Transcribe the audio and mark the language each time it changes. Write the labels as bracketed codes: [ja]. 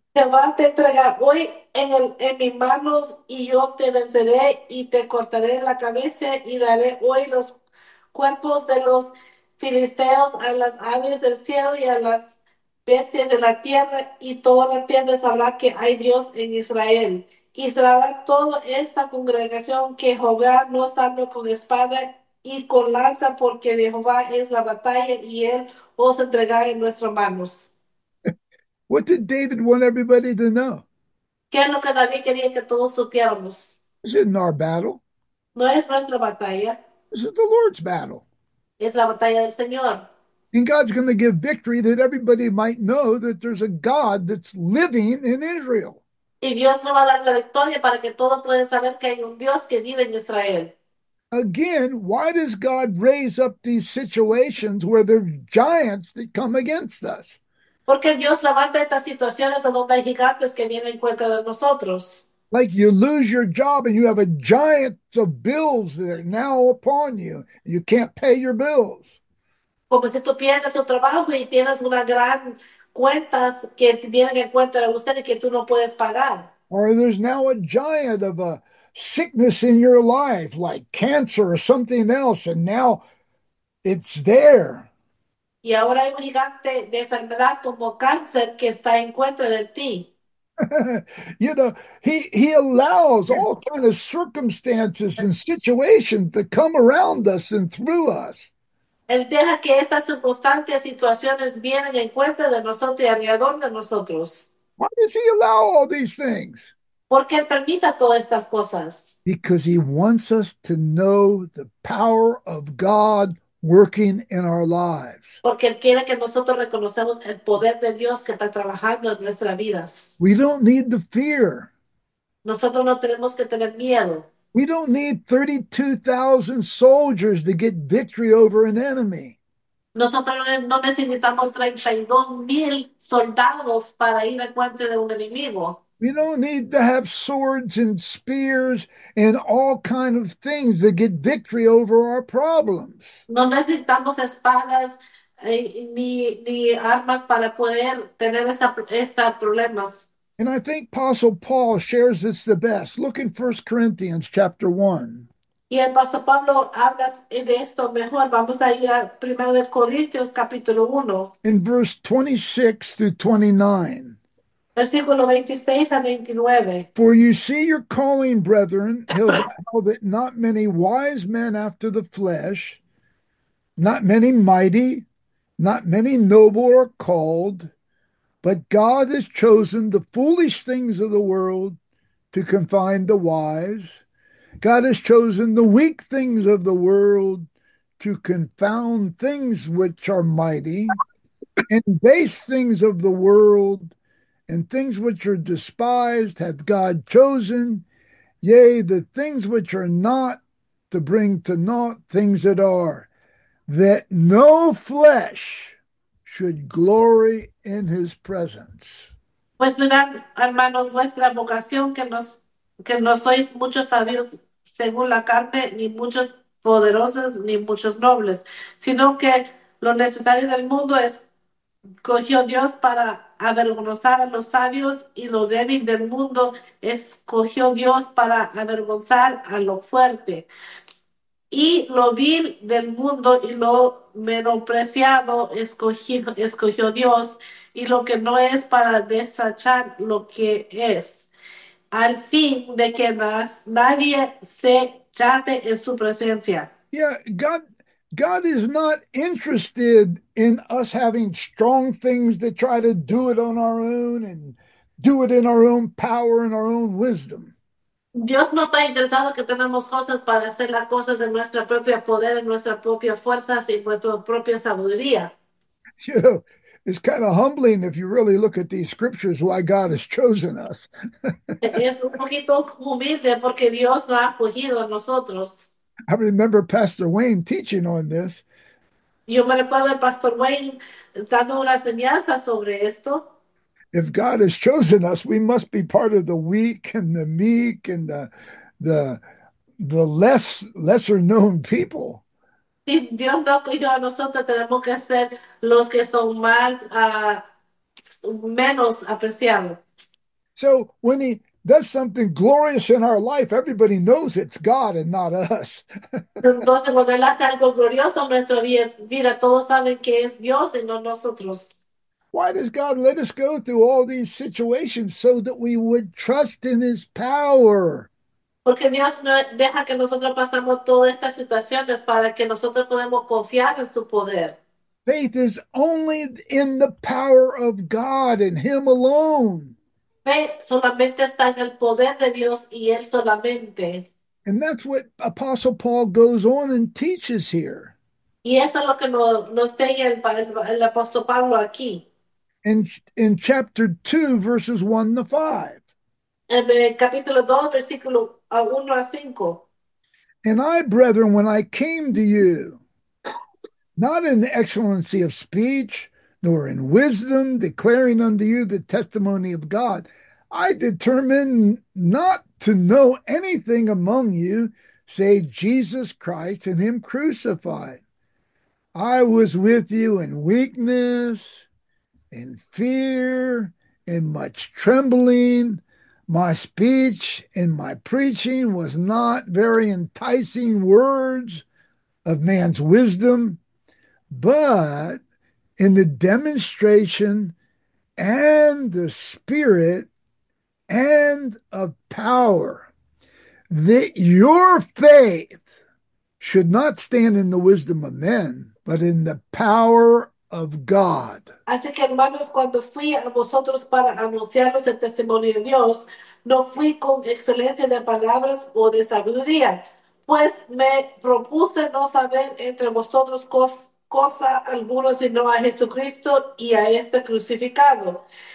[es] Va te entregar hoy en mis manos y yo te venceré y te cortaré la cabeza y daré hoy los cuerpos de los filisteos a las aves del cielo y a las bestias de la tierra y toda la tierra sabrá que hay Dios en Israel. Y sabrá toda esta congregación que Jehová no está con espada y con lanza, porque de Jehová es la batalla y él os entregará en nuestras manos. [en] What did David want everybody to know? [es] ¿Qué es lo que David quería que todos supiéramos? [en] This isn't our battle. [es] No es nuestra batalla. [en] This is the Lord's battle. [es] Es la batalla del Señor. [en] And God's going to give victory that everybody might know that there's a God that's living in Israel. [es] Y Dios nos va a dar la victoria para que todos puedan saber que hay un Dios que vive en Israel. [en] Again, why does God raise up these situations where there are giants that come against us? [es] Porque Dios levanta estas situaciones donde hay gigantes que vienen en contra de nosotros. [en] Like you lose your job and you have a giant of bills that are now upon you, and you can't pay your bills. [es] Como si tú pierdes tu trabajo y tienes una gran cuentas que vienen en cuenta de usted y que tú no puedes pagar. [en] Or there's now a giant of a sickness in your life, like cancer or something else, and now it's there. [es] Y ahora hay un gigante de enfermedad como cáncer que está en contra de ti. [en] He allows all kind of circumstances and situations to come around us and through us. [es] Él deja que estas circunstancias, situaciones vienen en cuenta de nosotros y alrededor de nosotros. [en] Why does he allow all these things? [es] Porque Él permite todas estas cosas. [en] Because he wants us to know the power of God working in our lives. [es] Porque Él quiere que nosotros reconocemos el poder de Dios que está trabajando en nuestras vidas. [en] We don't need the fear. [es] Nosotros no tenemos que tener miedo. [en] We don't need 32,000 soldiers to get victory over an enemy. [es] Nosotros no necesitamos 32,000 soldados para ir a cuenta de un enemigo. [en] We don't need to have swords and spears and all kind of things to get victory over our problems. [es] No necesitamos espadas ni armas para poder tener esta problemas. [en] And I think Apostle Paul shares this the best. Look in 1 Corinthians chapter 1. [es] Y el Pastor Pablo hablas de esto mejor. Vamos a ir a primero de Corintios capítulo 1. [en] In verse 26 through 29. [es] Versículo 26 a 29. [en] For you see your calling, brethren, Hilda, how that not many wise men after the flesh, not many mighty, not many noble are called. But God has chosen the foolish things of the world to confound the wise. God has chosen the weak things of the world to confound things which are mighty, and base things of the world, and things which are despised hath God chosen, yea, the things which are not, to bring to naught things that are, that no flesh should glory in his presence. [es] Pues mirad, hermanos, vuestra vocación que no sois muchos sabios según la carne, ni muchos poderosos, ni muchos nobles, sino que lo necesario del mundo escogió Dios para avergonzar a los sabios, y lo débil del mundo escogió Dios para avergonzar a lo fuerte. Y lo vil del mundo y lo menospreciado escogió Dios, y lo que no es para desechar lo que es, al fin de que nadie se jacte en su presencia. [en] Yeah, God is not interested in us having strong things to try to do it on our own and do it in our own power and our own wisdom. [es] Dios no está interesado que tenemos cosas para hacer las cosas en nuestro propio poder, en nuestras propias fuerzas y en nuestra propia sabiduría. [en] You know, it's kind of humbling if you really look at these scriptures why God has chosen us. [es] Es un poquito humilde porque Dios lo ha acogido a nosotros. [en] I remember Pastor Wayne teaching on this. [es] Yo me recuerdo el Pastor Wayne dando una enseñanza sobre esto. [en] If God has chosen us, we must be part of the weak and the meek and the lesser known people. [es] Si Dios no cogió a nosotros, tenemos que ser los que son más menos apreciados. [en] So when he does something glorious in our life, everybody knows it's God and not us. [es] Entonces, cuando Él hace algo glorioso en nuestra vida, todos saben que es Dios y no nosotros. [en] Why does God let us go through all these situations so that we would trust in his power? [es] Porque Dios no deja que nosotros pasemos todas estas situaciones para que nosotros podamos confiar en su poder. [en] Faith is only in the power of God and him alone. [es] Fe solamente está en el poder de Dios y Él solamente. [en] And that's what Apostle Paul goes on and teaches here. [es] Y eso es lo que nos enseña el apóstol Pablo aquí. [en] In chapter 2, verses 1 to 5. [es] En el capítulo 2, versículo 1 a 5. [en] And I, brethren, when I came to you, not in the excellency of speech, nor in wisdom, declaring unto you the testimony of God, I determined not to know anything among you save Jesus Christ and him crucified. I was with you in weakness, in fear, in much trembling. My speech and my preaching was not very enticing words of man's wisdom, but in the demonstration and the spirit and of power, that your faith should not stand in the wisdom of men, but in the power of God. [es] Así que, hermanos, cuando fui a vosotros para anunciaros el testimonio de Dios, no fui con excelencia de palabras o de sabiduría, pues me propuse no saber entre vosotros cosa alguna sino a Jesucristo y a este crucificado.